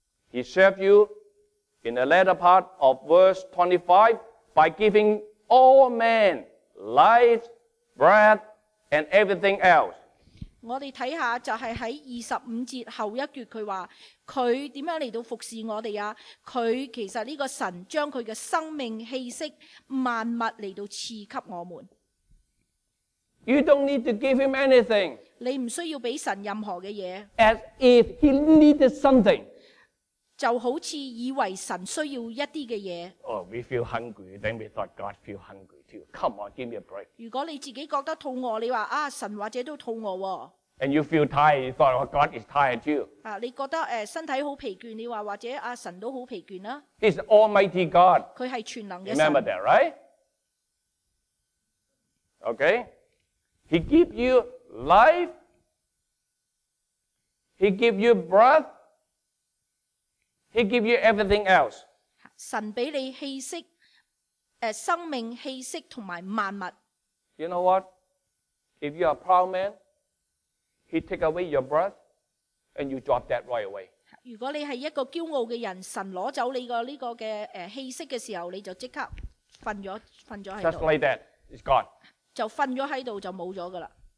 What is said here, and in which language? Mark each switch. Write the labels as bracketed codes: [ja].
[en] He served you. In the latter part of verse 25, by giving all men life, breath, and everything else. [yue] 我哋睇下就系喺二十五节后一橛，佢话佢点样嚟到服侍我哋啊？佢其实呢个神将佢嘅生命、气息、万物嚟到赐给我们。 [en] You don't need to give him anything. [yue] 你唔需要俾神任何嘅嘢。 [en] As if he needed something. [yue] 就好似以为神需要一啲嘅嘢。 [en] Oh, we feel hungry. Then we thought God feel hungry too. Come on, give me a break. [yue] 如果你自己觉得肚饿，你话啊，神或者都肚饿、哦。 [en] And you feel tired. You thought、oh, God is tired too. [yue] 啊，你觉得身体好疲倦，你话或者啊，神都好疲倦啦。 [en] He's Almighty God. [yue] 佢系全能嘅神。 [en] Remember that, right? Okay. He give you life, He give you breath. He give you everything else. [yue] 神俾你气息，生命气息同埋万物。 [en] You know what? If you are a proud man, he take away your breath, and you drop that right away. [yue] 如果你系一个骄傲嘅人，神攞走你个呢个嘅气息嘅时候，你就即刻瞓咗喺度。 [en] Just like that, it's gone. [yue] 就瞓咗喺度，就冇咗噶啦。